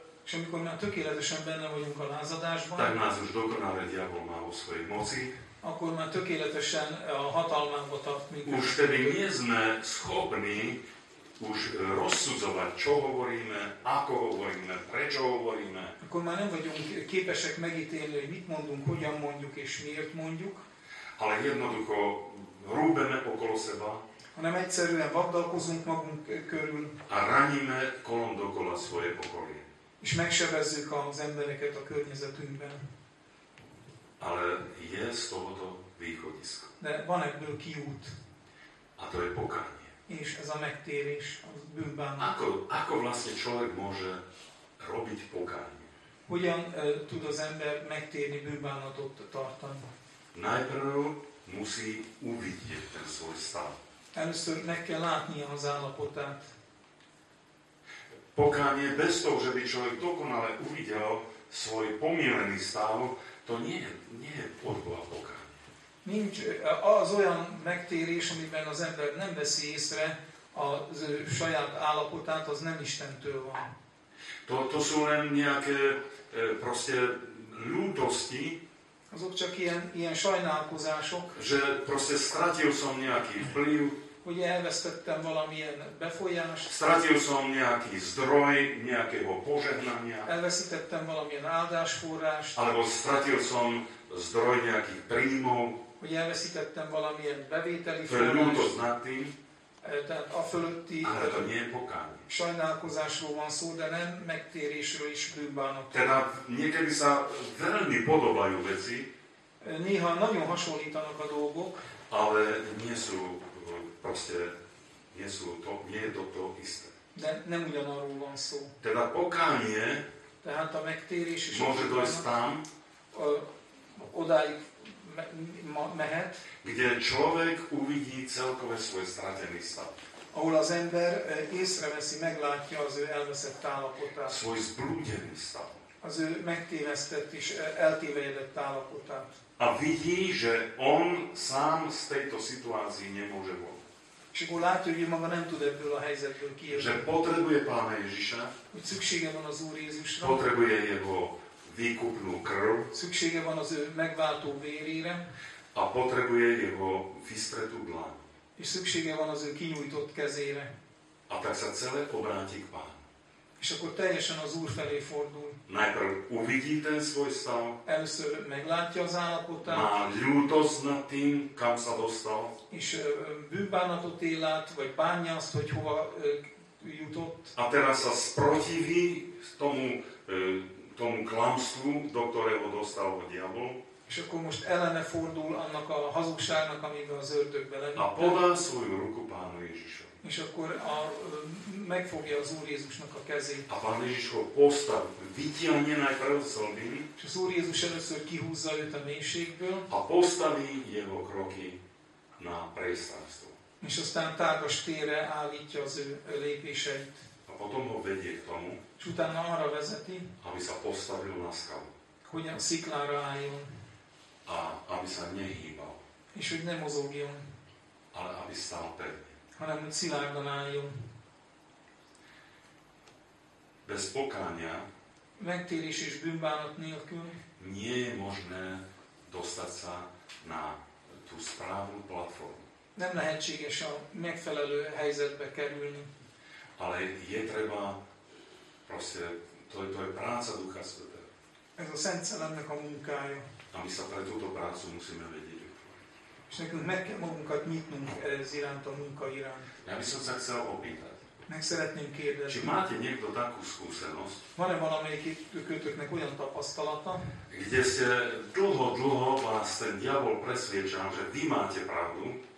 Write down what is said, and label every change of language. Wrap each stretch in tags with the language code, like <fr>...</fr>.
<hu>és amikor már tökéletesen benne vagyunk a lázadásban,</hu> <sk>tak nás už dokonale diabol má vo svojej moci,</sk> <hu>akkor már tökéletesen a hatalmába tart minket.</hu> <sk>Už tedy nie sme schopní už rozsudzovať, čo hovoríme, ako hovoríme, prečo hovoríme.</sk> <hu>Akkor már nem vagyunk képesek megítélni, hogy mit mondunk, hogyan mondjuk és miért mondjuk.</hu> <sk>Ale jednoducho rúbeme okolo seba.</sk> <hu>Hanem egyszerűen vagdalkozunk magunk körül.</hu> <sk>A raníme kolom dokola svoje okolie.</sk> <hu>És megsebezzük az embereket a környezetünkben.</hu> <sk>Ale je z tohoto východisko.</sk> <hu>De van ebből kiút.</hu> <sk>A to je pokánie.</sk> <hu>És ez a megtérés, a bűnbánat.</hu> <sk>Ako vlastne človek môže robiť pokánie?</sk> <hu>Hogyan tud az ember megtérni, bűnbánatot tartani?</hu> <sk>Najprv musí uvidieť ten svoj stav.</sk> <hu>Először meg kell látnia az állapotát.</hu> <sk>Pokánie bez toho, že by človek dokonale uvidel svoj pomílený stav, to nie je podľa Boha.</sk> <hu>Nincs az olyan megtérés, amiben az ember nem veszi észre az saját állapotát, az nem Istentől van.</hu> <sk>To sú len nejaké proste ľútosti.</sk> <hu>Azok csak ilyen sajnálkozások.</hu> <sk>Že proste stratil som nejaký vplyv.</sk> <hu>Hogy elvesztettem valamilyen befolyást.</hu> <sk>Stratil som nejaký zdroj, nejakého požehnania.</sk> <hu>Elveszítettem valamilyen áldásforrást.</hu> <sk>Alebo stratil som zdroj nejakých príjmov.</sk> <hu>Hogy elveszítettem valamilyen bevételi forrást.</hu> <sk>Föl ľútosť nad tým.</sk> <hu>Tehát a fölötti sajnálkozásról van szó, de nem megtérésről is bűnbánat.</hu> <sk>Tehát niekedy sa veľmi podobajú veci.</sk> <hu>Néha nagyon hasonlítanak a dolgok.</hu> <sk>Ale nie sú proste, nie sú to, nie je to to isté.</sk> <hu>De nem ugyanarról van szó.</hu> <sk>Tehát pokánie.</sk> <hu>Tehát a megtérés is.</hu> <sk>Môže dojsť tam.</sk> <hu>Odáig mehet.</hu> <sk>Kde človek uvidí celkové svoj stratený stav.</sk> <hu>Ahol az ember észreveszi, meglátja az ő elveszett állapotát.</hu> <sk>Svoj zblúdený stav.</sk> <hu>Az ő megtévesztett és eltévejedett állapotát.</hu> <sk>A vidí, že on sám z tejto situácii nemôže von.</sk> <hu>És akkor látja, hogy maga nem tud ebből a helyzetből kijönni.</hu> <sk>Že potrebuje Pána Ježiša.</sk> <hu>Hogy szüksége van az Úr Jézusra.</hu> <sk>Potrebuje jeho výkupnú krv.</sk> <hu>Szüksége van az ő megváltó vérére.</hu> <sk>A potrebuje jeho vystretú dlan.</sk> <hu>És szüksége van az ő kinyújtott kezére.</hu> <sk>A tak sa celé obráti k Pánu.</sk> <hu>És akkor teljesen az Úr felé fordul.</hu> <sk>Najprv uvidí ten svoj stav.</sk> <hu>Először meglátja az állapotát.</hu> <sk>Má ľútosť nad tým, kam sa dostal.</sk> <hu>És bűnbánatot él át, vagy bánja azt, hogy hova jutott.</hu> <sk>A teraz sa sprotiví tomu tomu klamstvu, do ktorého dostal ho diabol.</sk> <hu>És akkor most ellene fordul annak a hazugságnak, amiben az ördög belevitte.</hu> <sk>A podá svoju ruku Pánu Ježišovi.</sk> <hu>És akkor megfogja az Úr Jézusnak a kezét.</hu> <sk>A Pán Ježiš ho postav, vytiahne najprv z hlbiny.</sk> <hu>És az Úr Jézus először kihúzza őt a mélységből.</hu> <sk>A postaví jeho kroky na prejstárstvo.</sk> <hu>És aztán tágas térre állítja az ő lépéseit.</hu> <sk>A potom ho vedie k tomu.</sk> <hu>És utána arra vezeti.</hu> <sk>Aby sa postavil na skalu.</sk> <hu>Hogy a sziklára álljon.</hu> <sk>A aby sa nehýbal.</sk> <hu>És hogy ne mozogjon.</hu> <sk>Ale aby stál pevne.</sk> <hu>Hanem hogy szilárdan álljon.</hu> <sk>Bez pokánia.</sk> <hu>Megtérés és bűnbánat nélkül.</hu> <sk>Nie je možné dostať sa na tú správnu platformu.</sk> <hu>Nem lehetséges a megfelelő helyzetbe kerülni.</hu> <sk>Ale je treba, proste, to je práca Ducha Svätého.</sk> <hu>Ez a Szent Szellemnek a munkája.</hu> <sk>A my sa pre túto prácu musíme vedieť.</sk> <hu>És nekünk meg kell magunkat nyitnunk ez iránt, a munka iránt.</hu> <sk>Ja by som sa chcel opýtať.</sk> <hu>Meg szeretném kérdezni.</hu> <sk>Či máte niekto takú skúsenosť?</sk> <hu>Van-e valamelyikőtöknek olyan tapasztalata?</hu> <sk>Kde ste dlho vás ten diabol presviedčal, že vy máte pravdu.</sk>